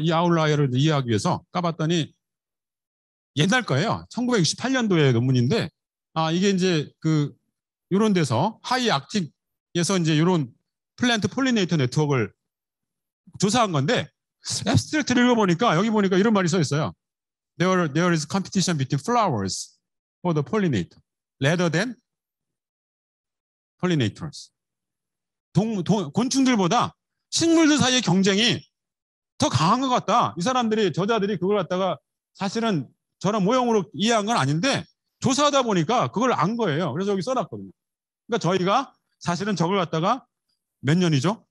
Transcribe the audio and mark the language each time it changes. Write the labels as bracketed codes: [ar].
[ko] 이 아웃라이어를 이해하기 위해서 까봤더니 옛날 거예요. 1968년도의 논문인데 이게 이제 그 이런 데서 하이 악틱에서 이제 이런 플랜트 폴리네이터 네트워크를 조사한 건데 앱스트랙트를 읽어보니까 여기 보니까 이런 말이 써 있어요. [en] There is competition between flowers for the pollinator. Rather than pollinators. [ko] 곤충들보다 식물들 사이의 경쟁이 더 강한 것 같다. 이 사람들이, 저자들이 그걸 갖다가 사실은 저런 모형으로 이해한 건 아닌데 조사하다 보니까 그걸 안 거예요. 그래서 여기 써놨거든요. 그러니까 저희가 사실은 저걸 갖다가 몇 년이죠?